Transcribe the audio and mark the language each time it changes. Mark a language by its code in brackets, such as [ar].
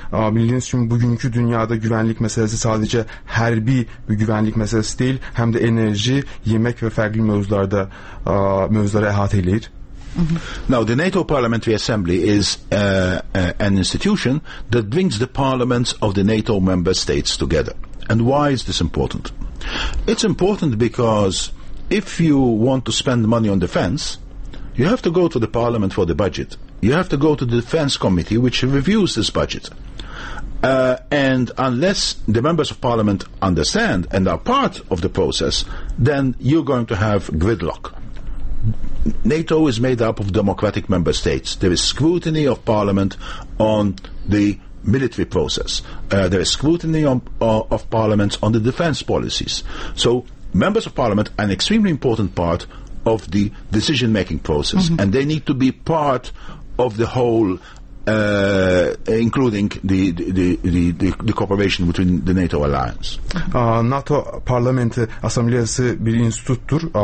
[az] Bildiyiniz kimi, bugünkü dünyada güvənlik məsələsi sadəcə hərbi güvənlik məsələsi deyil, həm də enerji, yemək və fərqli mövzularda mövzuları əhatə eləyir. Mm-hmm. [en] Now, the NATO Parliamentary Assembly is an institution that brings the parliaments of the NATO member states together. And why is this important? It's important because if you want to spend money on defense, you have to go to the parliament for the budget. You have to go to the defense committee, which reviews this budget. And unless the members of parliament understand and are part of the process, then you're going to have gridlock. NATO is made up of democratic member states. There is scrutiny of parliament on the military process. There is scrutiny of parliaments on the defense policies. So members of parliament are an extremely important part of the decision-making process, mm-hmm. and they need to be part of the whole, including the cooperation between the NATO alliance. [az] NATO Parlamenti Asambleyası bir institutdur.